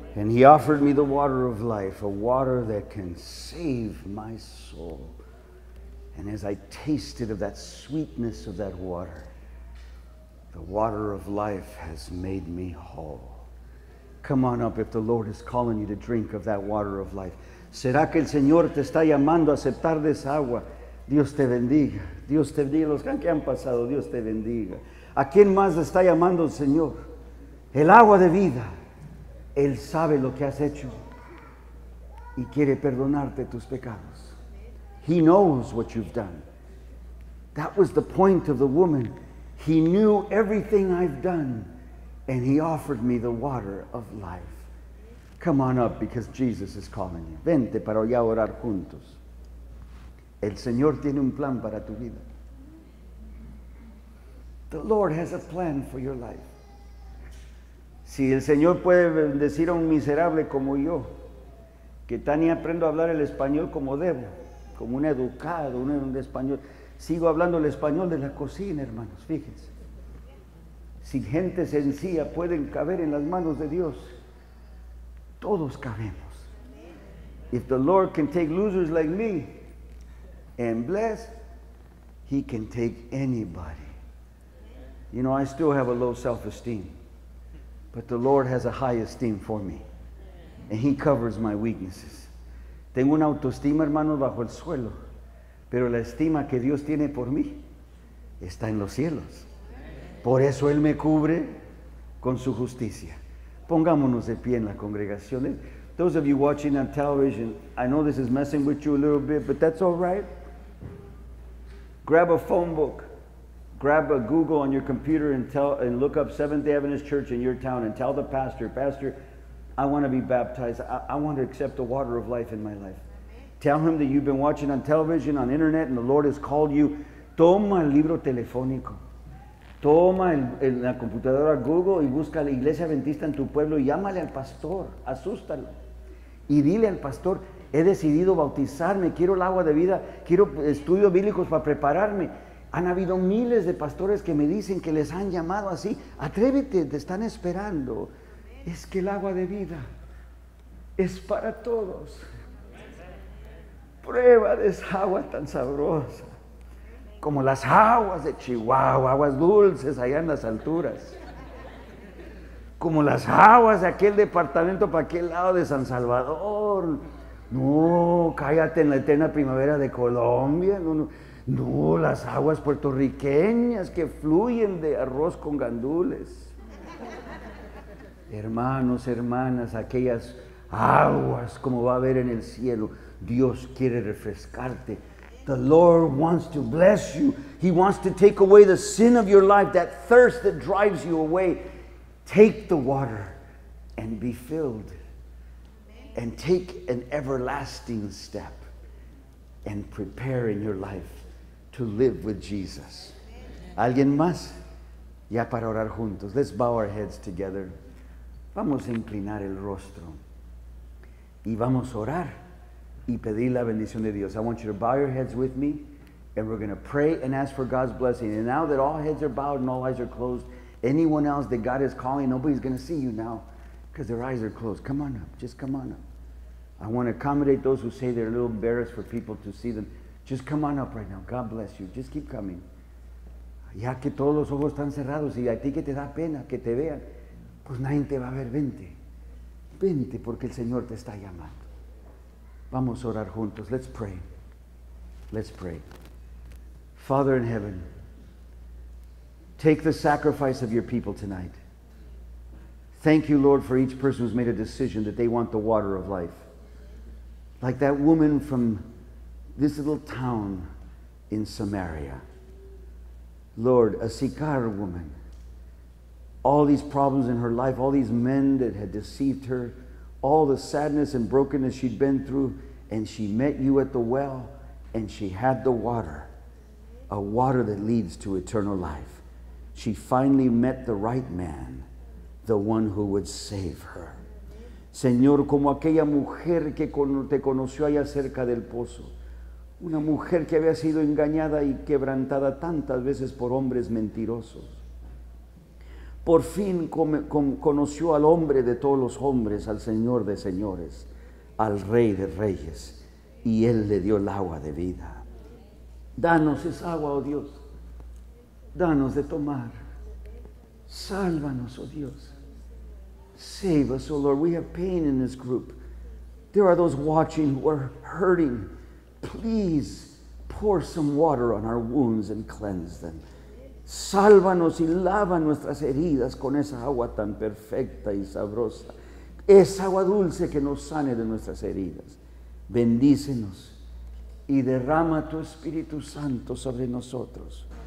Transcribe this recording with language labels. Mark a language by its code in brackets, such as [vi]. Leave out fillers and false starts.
[en] He offered me the water of life, a water that can save my soul. And as I tasted of that sweetness of that water, the water of life has made me whole. Come on up if the Lord is calling you to drink of that water of life. [es] ¿Será que el Señor te está llamando a aceptar de esa agua? Dios te bendiga. Dios te bendiga. Los que han pasado, Dios te bendiga. ¿A quién más está llamando el Señor? El agua de vida. Él sabe lo que has hecho y quiere perdonarte tus pecados. [en] He knows what you've done. That was the point of the woman. He knew everything I've done, and he offered me the water of life. Come on up, because Jesus is calling you. [es] Vente para allá orar juntos. El Señor tiene un plan para tu vida. [en] The Lord has a plan for your life. [es] Si el Señor puede bendecir a un miserable como yo, que tan ni aprendo a hablar el español como debo, como un educado, un español, sigo hablando el español de la cocina, hermanos, fíjense. Si gente sencilla puede caber en las manos de Dios, todos cabemos. [en] If the Lord can take losers like me and bless, he can take anybody. You know, I still have a low self-esteem. But the Lord has a high esteem for me, and he covers my weaknesses. [es] Tengo una autoestima, hermanos, bajo el suelo, pero la estima que Dios tiene por mí está en los cielos. Por eso él me cubre con su justicia. Pongámonos de pie en la congregación. [en] Those of you watching on television, I know this is messing with you a little bit, but that's all right. Grab a phone book. Grab a Google on your computer and tell and look up Seventh-day Adventist Church in your town and tell the pastor, Pastor, I want to be baptized. I want to accept the water of life in my life. Tell him that you've been watching on television, on internet, and the Lord has called you. [es] Toma el libro telefónico. Toma en la computadora Google y busca la iglesia adventista en tu pueblo y llámale al pastor. Asústalo. Y dile al pastor, he decidido bautizarme. Quiero el agua de vida. Quiero estudios bíblicos para prepararme. Han habido miles de pastores que me dicen que les han llamado así. Atrévete, te están esperando. Es que el agua de vida es para todos. Prueba de esa agua tan sabrosa. Como las aguas de Chihuahua, aguas dulces allá en las alturas. Como las aguas de aquel departamento para aquel lado de San Salvador. No, cállate en la eterna primavera de Colombia. No, no. No, las aguas puertorriqueñas que fluyen de arroz con gandules. Hermanos, hermanas, aquellas aguas como va a haber en el cielo. Dios quiere refrescarte. [en] The Lord wants to bless you. He wants to take away the sin of your life, that thirst that drives you away. Take the water and be filled. And take an everlasting step and prepare in your life to live with Jesus. [es] ¿Alguien más? Ya para orar juntos. [en] Let's bow our heads together. [es] Vamos a inclinar el rostro. Y vamos a orar y pedir la bendición de Dios. [en] I want you to bow your heads with me. And we're going to pray and ask for God's blessing. And now that all heads are bowed and all eyes are closed, anyone else that God is calling, nobody's going to see you now because their eyes are closed. Come on up. Just come on up. I want to accommodate those who say they're a little embarrassed for people to see them. Just come on up right now. God bless you. Just keep coming. [es] Ya que todos los ojos están cerrados y a ti que te da pena que te vean, pues nadie te va a ver. Vente. Vente porque el Señor te está llamando. Vamos a orar juntos. [en] Let's pray. Let's pray. Father in heaven, take the sacrifice of your people tonight. Thank you, Lord, for each person who's made a decision that they want the water of life. Like that woman from this little town in Samaria. Lord, a Sychar woman, all these problems in her life, all these men that had deceived her, all the sadness and brokenness she'd been through, and she met you at the well, and she had the water, a water that leads to eternal life. She finally met the right man, the one who would save her. [es] Señor, como aquella mujer que te conoció allá cerca del pozo, una mujer que había sido engañada y quebrantada tantas veces por hombres mentirosos. Por fin conoció al hombre de todos los hombres, al Señor de señores, al Rey de reyes, y Él le dio el agua de vida. Danos esa agua, oh Dios. Danos de tomar. Sálvanos, oh Dios. [en] Save us, oh Lord. We have pain in this group. There are those watching who are hurting. Please pour some water on our wounds and cleanse them. [es] Sálvanos y lava nuestras heridas con esa agua tan perfecta y sabrosa. Es agua dulce que nos sane de nuestras heridas. Bendícenos y derrama tu Espíritu Santo sobre nosotros.